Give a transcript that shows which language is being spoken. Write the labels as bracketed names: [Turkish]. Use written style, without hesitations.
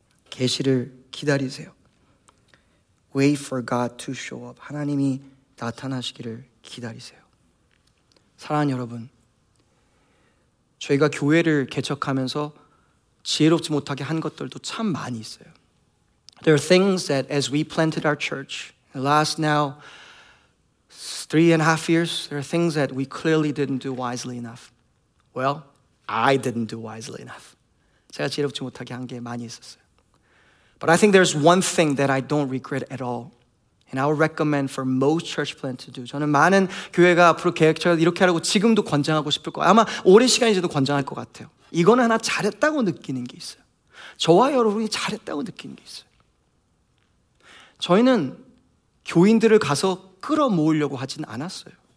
[Korean] 계시를 기다리세요. [English] Wait for God to show up. [Korean] 하나님이 나타나시기를 기다리세요. 사랑하는 여러분, 저희가 교회를 개척하면서 지혜롭지 못하게 한 것들도 참 많이 있어요. [English] There are things that as we planted our church, the last now 3.5 years, there are things that we clearly didn't do wisely enough. Well, I didn't do wisely enough. [Korean] 제가 지혜롭지 못하게 한 게 많이 있었어요. [English] But I think there's one thing that I don't regret at all. And I would recommend for most church plant to do. [Korean] 저는 많은 교회가 앞으로 계획처럼 이렇게 하라고 지금도 권장하고 싶을 거예요. 아마 오랜 시간이 지나도 권장할 것 같아요. 이건 하나 잘했다고 느끼는 게 있어요. 저와 여러분이 잘했다고 느끼는 게 있어요. 저희는 교인들을 가서 끌어모으려고 하진 않았어요.